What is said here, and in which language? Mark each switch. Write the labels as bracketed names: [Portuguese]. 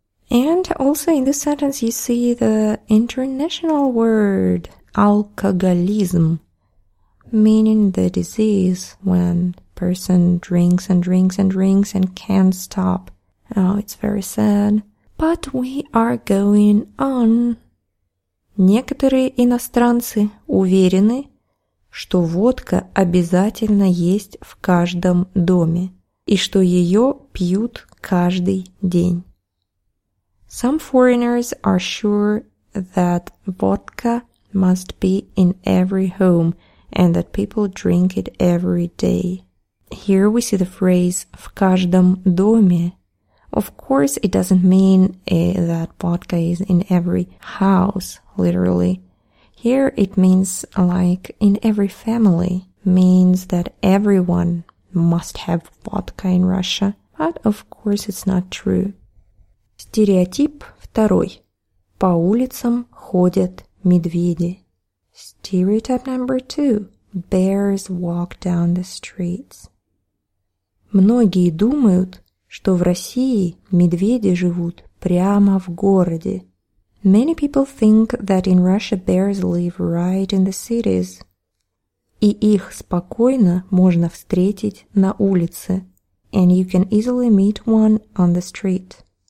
[English] And also in this sentence you see the international word «алкоголизм», meaning the disease when person drinks and drinks and drinks and can't stop. Oh, it's very sad. But we are going on. [Russian] Некоторые иностранцы уверены, что водка обязательно есть в каждом доме и что ее пьют каждый день. [English] Some foreigners are sure that vodka must be in every home and that people drink it every day. Here we see the phrase [Russian] «в каждом доме». [English] Of course, it doesn't mean that vodka is in every house, literally. Here it means like in every family, means that everyone must have vodka in Russia. But of course, it's not true. [Russian] Стереотип второй. По улицам ходят медведи. [English] Stereotype number two. Bears walk down the streets. [Russian] Многие думают, что в России медведи живут прямо в городе. [English] Many people think that in Russia bears live right in the cities. [Russian] И их спокойно можно встретить на улице. [English] And you can easily meet one on the street.